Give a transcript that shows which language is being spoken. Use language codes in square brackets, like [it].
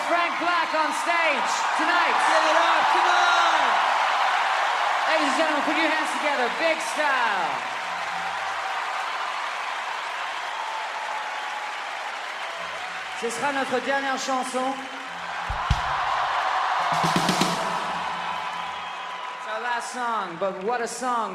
[en] Frank Black on stage tonight. Give it up, come on! Ladies and gentlemen, put your hands together, big style. [fr] Ce sera notre dernière chanson. [en] It's our last song, but what a song.